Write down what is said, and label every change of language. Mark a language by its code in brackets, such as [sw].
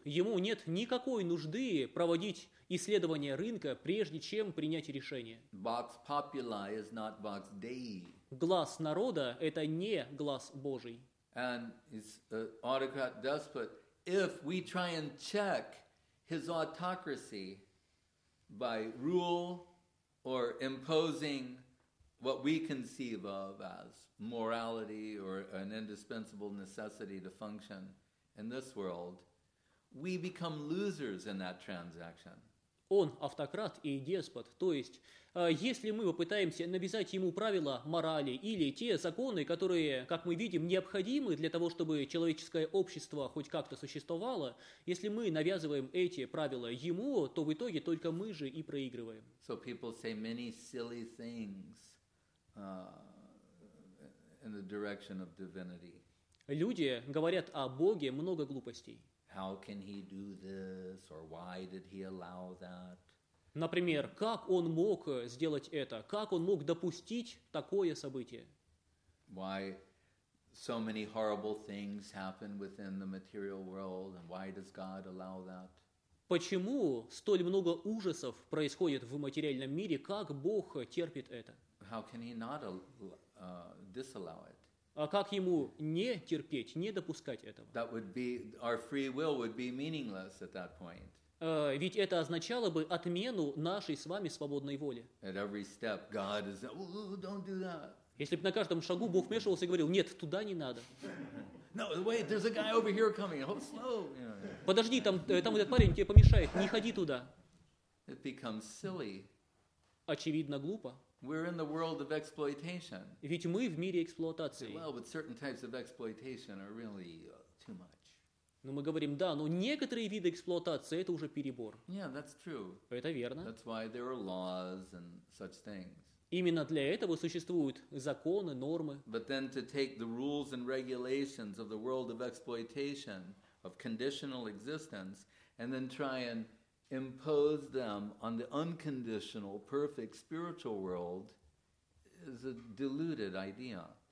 [ru] Ему нет никакой нужды проводить исследование рынка, прежде чем принять решение. [la] Vox populi [en] is not [la] vox dei. [ru] Глаз народа – это не глаз Божий. [en] And he's an autocrat despot. If we try and check his autocracy by rule or imposing what we conceive of as morality or an indispensable necessity to function in this world, we become losers in that transaction. [ru] Он автократ и деспот. То есть, если мы попытаемся навязать ему правила морали или те законы, которые, как мы видим, необходимы для того, чтобы человеческое общество хоть как-то существовало, если мы навязываем эти правила ему, то в итоге только мы же и проигрываем. [en] So people say many silly things in the direction of divinity. [ru] Люди говорят о Боге много глупостей. [en] How can he do this, or why did he allow that? [ru] Например, как он мог сделать это? Как он мог допустить такое событие? [en] Why so many horrible things happen within the material world, and why does God allow that? [ru] Почему столь много ужасов происходит в материальном мире? Как Бог терпит это? [en] How can he not disallow it? [ru] А как ему не терпеть, не допускать этого? [en] That would be, our free will would be meaningless at that point. [ru] Ведь это означало бы отмену нашей с вами свободной воли. [en] At every step, God is, don't do that. [ru] Если бы на каждом шагу Бог вмешивался и говорил, нет, туда не надо. [en] No, wait, there's a guy over here coming. Hold slow. [ru] Подожди, там этот парень тебе помешает. Не ходи туда. [en] It becomes silly. [ru] Очевидно, глупо. [en] We're in the world of exploitation. [ru] Ведь мы в мире эксплуатации. [en] Well, but certain types of exploitation are really too much. [ru] Но мы говорим, да, но некоторые виды эксплуатации это уже перебор. [en] Yeah, that's true. [ru] Это верно. [en] That's why there are laws and such things. [ru] Именно для этого существуют законы, нормы. [en] But then to take the rules and regulations of the world of exploitation, of conditional existence, and then try and impose them on the unconditional, perfect spiritual world is a deluded idea.